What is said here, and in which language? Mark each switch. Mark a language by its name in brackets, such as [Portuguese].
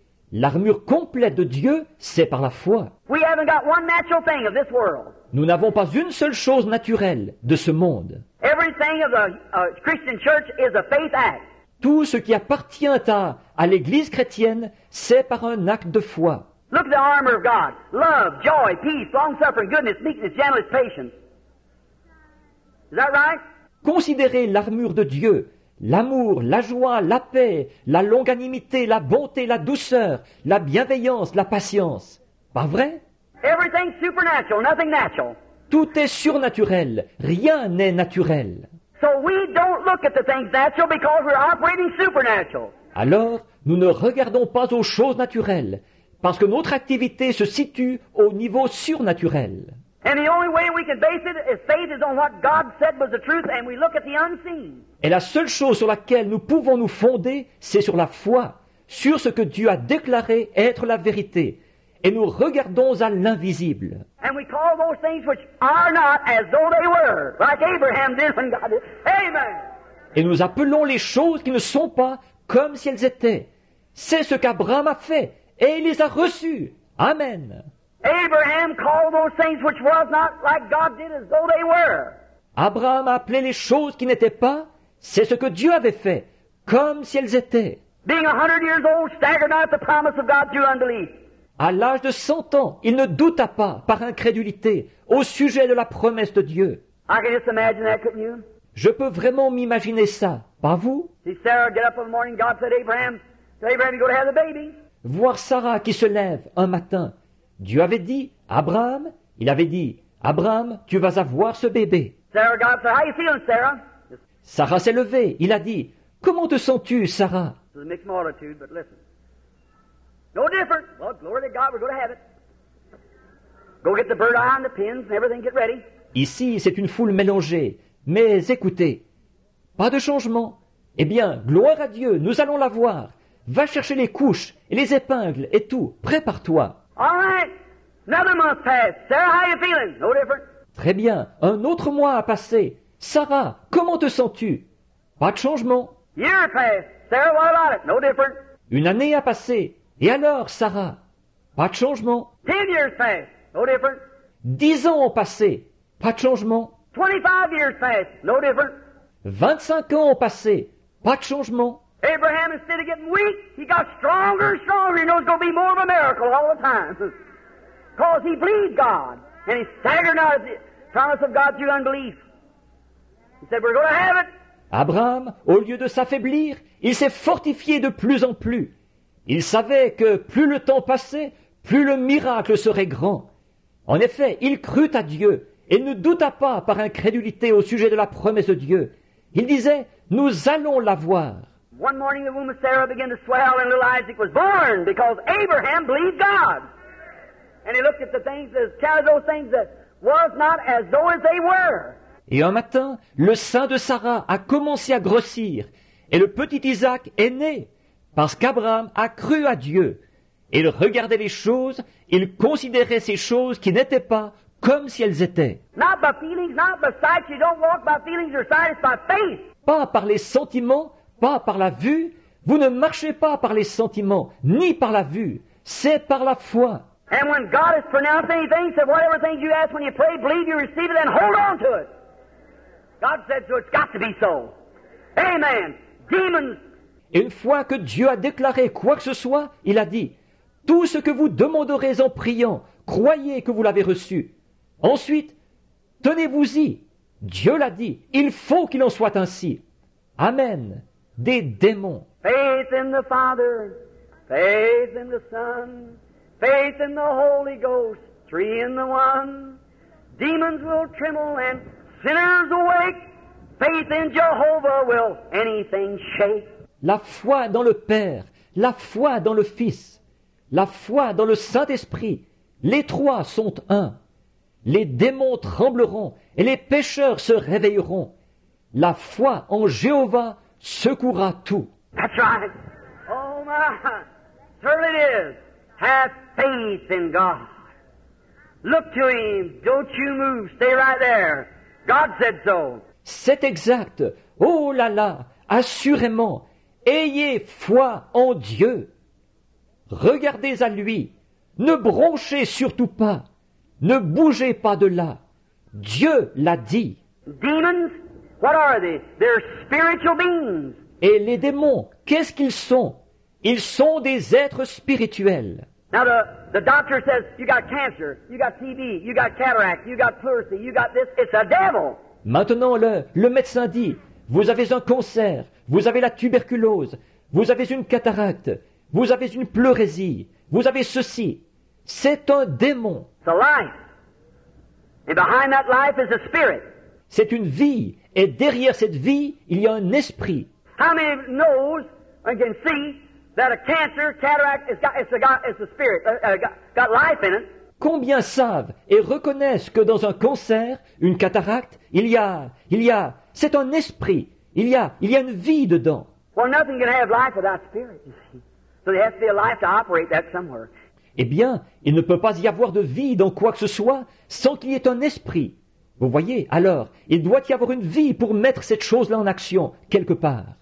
[French] L'armure complète de Dieu, c'est par la foi. [English] We haven't got one natural thing of this world. [French] Nous n'avons pas une seule chose naturelle de ce monde. [English] Everything of the, Christian church is a faith act. [French] Tout ce qui appartient à l'Église chrétienne, c'est par un acte de foi. [English] Look at the armor of God. Love, joy, peace, long-suffering, goodness, meekness, gentleness, patience. Is that right? [French] Considérez l'armure de Dieu. L'amour, la joie, la paix, la longanimité, la bonté, la douceur, la bienveillance, la patience. Pas vrai? [English] Everything supernatural, nothing natural. [French] Tout est surnaturel, rien n'est naturel. [English] So we don't look at the things natural because we're operating supernatural. [French] Alors, nous ne regardons pas aux choses naturelles, parce que notre activité se situe au niveau surnaturel. [English] And the only way we can base it is faith is on what God said was the truth and we look at the unseen. [French] Et la seule chose sur laquelle nous pouvons nous fonder, c'est sur la foi, sur ce que Dieu a déclaré être la vérité. Et nous regardons à l'invisible. [English] And we call those things which are not as though they were, like Abraham did when God did. Amen. [French] Et nous appelons les choses qui ne sont pas comme si elles étaient. C'est ce qu'Abraham a fait et il les a reçues. Amen. [English] Abraham called those things which was not like God did as though they were. [French] Abraham a appelé les choses qui n'étaient pas, c'est ce que Dieu avait fait, comme si elles étaient. [English] Being 100 years old, staggered not the promise of God through unbelief. [French] À l'âge de 100 ans, il ne douta pas par incrédulité au sujet de la promesse de Dieu. [English] I can just imagine that, couldn't you? [French] Je peux vraiment m'imaginer ça, pas vous? [English] See Sarah get up in the morning, God said Abraham, tell Abraham you're going to have the baby. [French] Voir Sarah qui se lève un matin. Dieu avait dit, Abraham, il avait dit, Abraham, tu vas avoir ce bébé. [English] Sarah, God said, how you feeling, Sarah? [French] Sarah s'est levée, il a dit, comment te sens-tu, Sarah? [English] It's a mixed multitude, but listen. No different. Well, glory to God, we're going to have it. Go get the bird eye and the pins and everything, get ready. [French] Ici, c'est une foule mélangée, mais écoutez, pas de changement. Eh bien, gloire à Dieu, nous allons la voir. Va chercher les couches et les épingles et tout, prépare-toi. [English] All right, another month passed. Sarah, how are you feeling? No different. [French] Très bien, un autre mois a passé. Sarah, comment te sens-tu? Pas de changement. [English] Year passed. Sarah, what about it? No different. [French] Une année a passé. Et alors, Sarah? Pas de changement. [English] 10 years passed. No different. [French] 10 ans ont passé. Pas de changement. [English] 25 years passed. No different. [French] 25 ans ont passé. Pas de changement. [English] Abraham, instead of getting weak, he got stronger and stronger. He knows it's going to be more of a miracle all the time. Because he believed God. And he staggered out of the promise of God through unbelief. He said, we're going to have it. [French] Abraham, au lieu de s'affaiblir, il s'est fortifié de plus en plus. Il savait que plus le temps passait, plus le miracle serait grand. En effet, il crut à Dieu et ne douta pas par incrédulité au sujet de la promesse de Dieu. Il disait, nous allons la voir. [English] One morning the womb of Sarah began to swell and little Isaac was born because Abraham believed God. And he looked at the things as counted those things that was not as though as they were. [French] Et un matin, le sein de Sarah a commencé à grossir et le petit Isaac est né parce qu'Abraham a cru à Dieu. Il regardait les choses, il considérait ces choses qui n'étaient pas comme si elles étaient. [English] Not by feelings, not by sight. You don't walk by feelings or sight, it's by faith. [French] Pas par les sentiments, pas par la vue, vous ne marchez pas par les sentiments, ni par la vue, c'est par la foi. [English] And when God has pronounced anything, he said, whatever things you ask when you pray, believe you receive it and hold on to it. God said, so it's got to be so. Amen. Demons. [French] Une fois que Dieu a déclaré quoi que ce soit, il a dit, Tout ce que vous demanderez en priant, croyez que vous l'avez reçu. Ensuite, tenez-vous-y. Dieu l'a dit. Il faut qu'il en soit ainsi. Amen. Des démons. [English] Faith in the Father, faith in the Son, faith in the Holy Ghost, three in the one. Demons will tremble and sinners awake. Faith in Jehovah will anything shake. [French] La foi dans le Père, la foi dans le Fils, la foi dans le Saint-Esprit, les trois sont un. Les démons trembleront et les pécheurs se réveilleront. La foi en Jéhovah secourra tout. [English] That's right. Oh my, sure it is. Have faith in God. Look to Him. Don't you move. Stay right there. God said so. [French] C'est exact. Oh là là, assurément, ayez foi en Dieu. Regardez à Lui. Ne bronchez surtout pas. Ne bougez pas de là. Dieu l'a dit. [English] Demons, what are they? They're spiritual beings. [French] Et les démons, qu'est-ce qu'ils sont? Ils sont des êtres spirituels. [English] Now the doctor says you got cancer, you got TB, you got cataract, you got pleurisy, you got this. It's a devil. [French] Maintenant le médecin dit, vous avez un cancer, vous avez la tuberculose, vous avez une cataracte, vous avez une pleurésie, vous avez ceci. C'est un démon. [English] It's a life. And behind that life is a spirit. [French] C'est une vie, et derrière cette vie, il y a un esprit. [English] How many knows and can see that a cancer, cataract, it's a spirit, got life in it? [French] Combien savent et reconnaissent que dans un cancer, une cataracte, il y a, c'est un esprit, il y a une vie dedans. [English] Well, nothing can have life without spirit, you see. So there has to be a life to operate that somewhere. [French] Eh bien, il ne peut pas y avoir de vie dans quoi que ce soit sans qu'il y ait un esprit. Vous voyez, alors, il doit y avoir une vie pour mettre cette chose-là en action, quelque part.